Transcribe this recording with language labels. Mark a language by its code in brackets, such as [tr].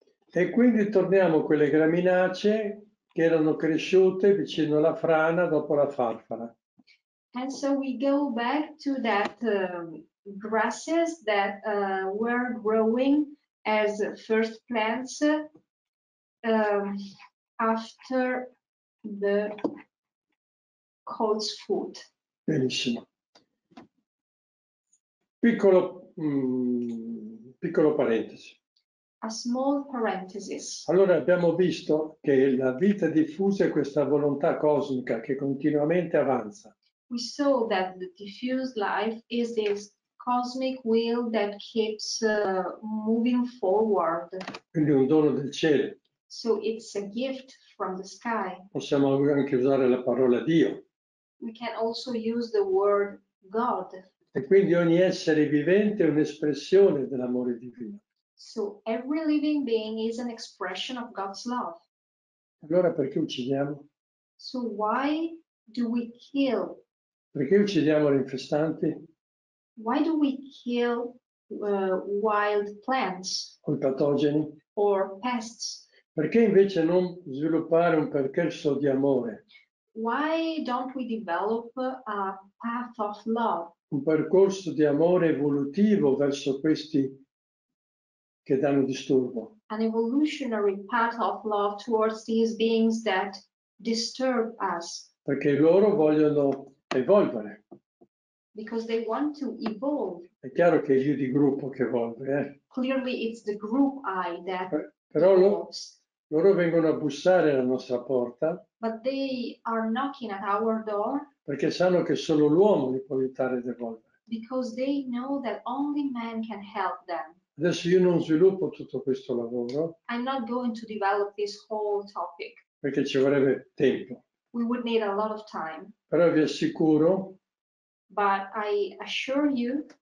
[it] E quindi torniamo a quelle graminacee che erano cresciute vicino alla frana dopo la farfara. [en] And so we go back to that grasses that were growing as first plants after the colt's foot. [it] Benissimo. Piccolo, piccolo parentesi. [en] A small parenthesis. [it] Allora abbiamo visto che la vita diffusa è questa volontà cosmica che continuamente avanza. [en] We saw that the diffused life is this cosmic will that keeps moving forward. [it] Quindi un dono del cielo. [en] So it's a gift from the sky. [it] Possiamo anche usare la parola Dio. [en] We can also use the word God. [it] E quindi ogni essere vivente è un'espressione dell'amore divino. [en] So every living being is an expression of God's love. [it] Allora perché uccidiamo? [en] So why do we kill? [it] Perché uccidiamo gli infestanti? [en] Why do we kill wild plants? [it] O i patogeni? [en] Or pests? [it] Perché invece non sviluppare un percorso di amore? [en] Why don't we develop a path of love? [it] Un percorso di amore evolutivo verso questi che danno disturbo. [en] An evolutionary path of love towards these beings that disturb us. [it] Perché loro vogliono evolvere. [en] Because they want to evolve. [it] È chiaro che è l'io di gruppo che evolve, eh? [en] Clearly it's the group I that [it] però evolves. Loro vengono a bussare alla nostra porta. [en] But they are knocking at our door. [it] Perché sanno che solo l'uomo li può aiutare ad evolvere. [en] Because they know that only man can help them. [it] Adesso io non sviluppo tutto questo lavoro. [en] I'm not going to develop this whole topic. [it] Perché ci vorrebbe tempo. [en] We would need a lot of time. [it] Però vi assicuro, [en] but I assure you,